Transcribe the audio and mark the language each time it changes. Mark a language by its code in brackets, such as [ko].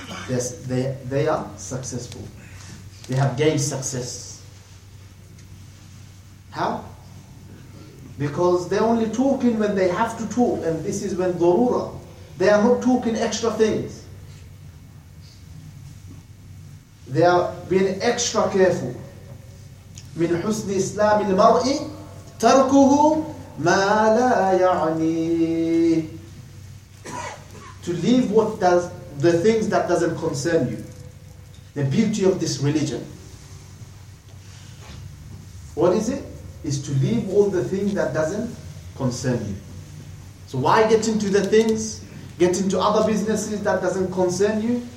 [en] Yes, they are successful. They have gained success. How? Because they only talking when they have to talk, and this is when dharura. They are not talking extra things. They are being extra careful. [ar] من حسن إسلام المرء تركه ما لا يعني. [en] To leave what does the things that doesn't concern you. The beauty of this religion. What is it? Is to leave all the things that doesn't concern you. So why get into the things? Get into other businesses that doesn't concern you.